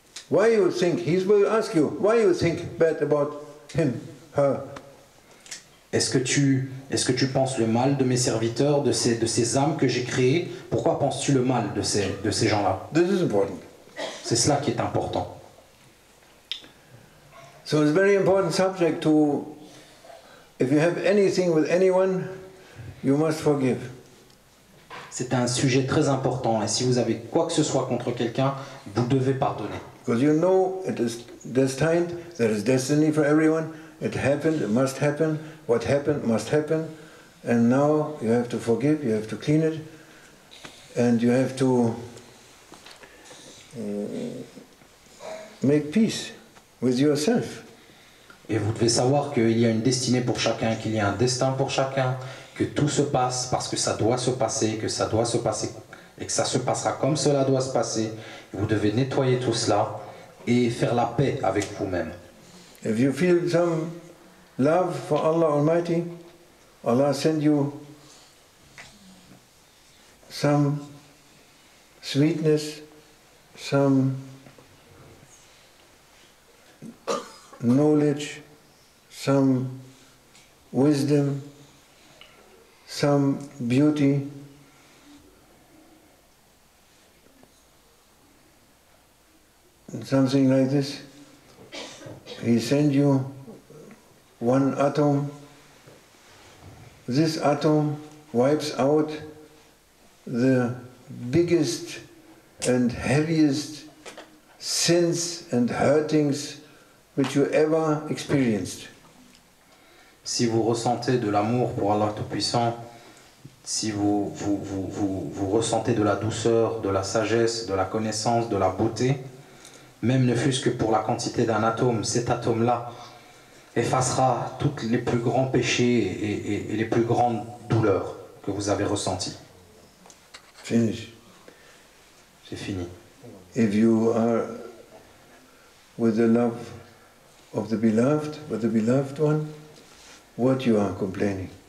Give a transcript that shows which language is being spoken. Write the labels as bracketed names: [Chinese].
[English] Why you think, he will ask you, why you think bad about him, her? [French] Est-ce que tu penses le mal de mes serviteurs, de ces âmes que j'ai créées? Pourquoi penses-tu le mal de ces gens-là? [English] This is important. [French] C'est cela qui est important. [English] So it's a very important subject to, if you have anything with anyone, you must forgive. [French] C'est un sujet très important et si vous avez quoi que ce soit contre quelqu'un, vous devez pardonner. [English] Because you know it is destined, there is destiny for everyone, It happened, it must happen. What happened must happen. And now you have to forgive, you have to clean it. And you have to make peace with yourself. [French] Et vous devez savoir qu'il y a une destinée pour chacun, qu'il y a un destin pour chacun, que tout se passe parce que ça doit se passer, que ça doit se passer, et que ça se passera comme cela doit se passer. Vous devez nettoyer tout cela et faire la paix avec vous-même. [English] If you feel some love for Allah Almighty, Allah send you some sweetness, some knowledge, some wisdom, some beauty. Something like this. He send you one atom. This atom wipes out the biggest and heaviest sins and hurtings which you ever experienced. [French] Si vous ressentez de l'amour pour Allah Tout-Puissant, si vous ressentez de la douceur, de la sagesse, de la connaissance, de la beauté, même ne fût-ce que pour la quantité d'un atome, cet atome-là effacera tous les plus grands péchés et les plus grandes douleurs que vous avez ressenties. [English] Finish. [French] C'est fini. [English] If you are with the love of the beloved, with the beloved one, what you are complaining?